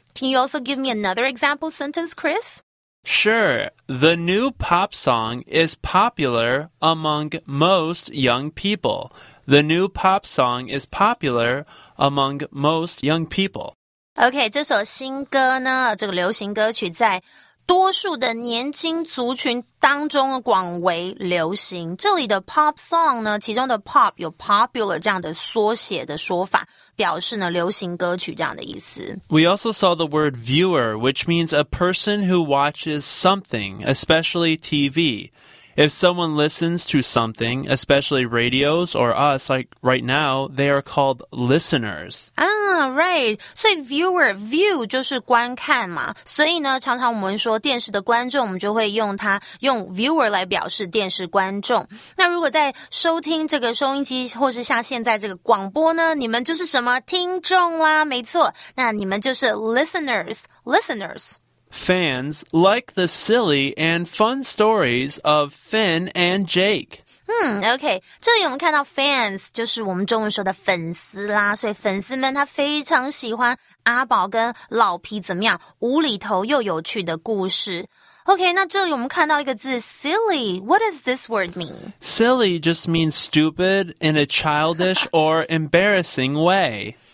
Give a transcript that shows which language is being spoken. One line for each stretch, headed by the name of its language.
English: Can you also give me another example sentence, Chris? Sure. The new pop song is popular among most young people. The new pop song is popular among most young people.
Chinese: Okay, 这首新歌呢，这个流行歌曲在多数的年轻族群当中广为流行。这里的 pop song 呢，其中的 pop 有 popular 这样的缩写的说法，表示呢流行歌曲这样的意思。
English: We also saw the word viewer, which means a person who watches something, especially TV. If someone listens to something, especially radios or us, like right now, they are called listeners. Ah, right. So viewer, view
Chinese: 就是观看嘛。所以呢，常常我们说电视的观众，我们就会用它用 viewer 来表示电视观众。那如果在收听这个收音机，或是像现在这个广播呢，你们就是什么听众啦？没错，那你们就是 listeners, listeners.
English: Fans like the silly and fun stories of Finn and Jake. Okay.
Chinese: 这里我们看到 fans 就是我们中文说的粉丝啦，所以粉丝们他非常喜欢阿宝跟老皮怎么样无厘头又有趣的故事。
English: Okay,
Chinese: 那这里我们看到一个字
English: silly. What does this word mean? Silly just means stupid in a childish or embarrassing way.